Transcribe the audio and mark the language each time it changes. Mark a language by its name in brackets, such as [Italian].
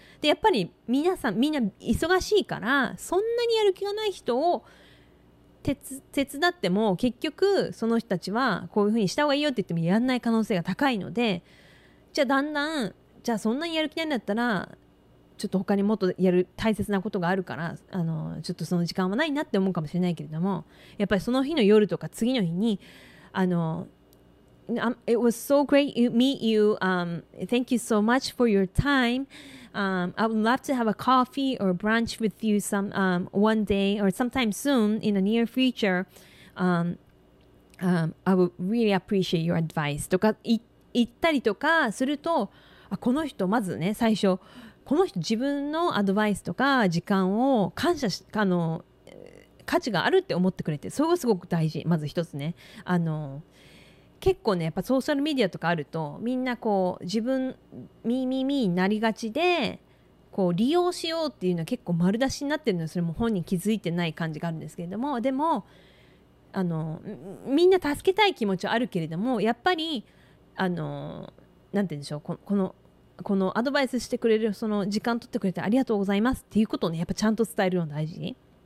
[Japanese] でやっぱり皆さんみんな忙しいから、そんなにやる気がない人を手伝っても結局その人たちはこういうふうにした方がいいよって言ってもやんない可能性が高いので、じゃあだんだん、じゃあそんなにやる気ないんだったらちょっと他にもっとやる大切なことがあるから、あのちょっとその時間はないなって思うかもしれないけれども、やっぱりその日の夜とか次の日に、あの [English] It was so great to meet you. Thank you so much for your time. I would love to have a coffee or brunch with you some one day or sometime soon in the near future. I would really appreciate your advice. [Japanese] とか言ったりとかすると、この人まずね、最初この人自分のアドバイスとか時間を感謝し、あの価値があるって思ってくれて、それがすごく大事。まず一つね、あの結構ね、やっぱソーシャルメディアとかあるとみんなこう自分ミーミーミーになりがちで、こう利用しようっていうのは結構丸出しになってるので、それも本人気づいてない感じがあるんですけれども、でもあのみんな助けたい気持ちはあるけれども、やっぱりあのなんて言うんでしょう、このアドバイスしてくれる、その時間取ってくれてありがとうございますっていうことをね、やっぱちゃんと伝えるの大事。